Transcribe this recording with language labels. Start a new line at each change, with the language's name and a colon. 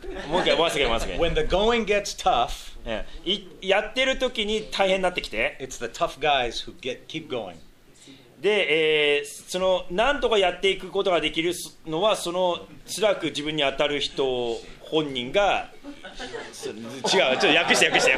Japanese: もう一回、忘れません。
English: When the going gets tough,
Japanese: やってる時に大変になってきて、
English: It's the tough guys who get, keep going.
Japanese: で、その、なんとかやっていくことができるのは、その、辛く自分に当たる人を、本人が違う、ちょっと訳して、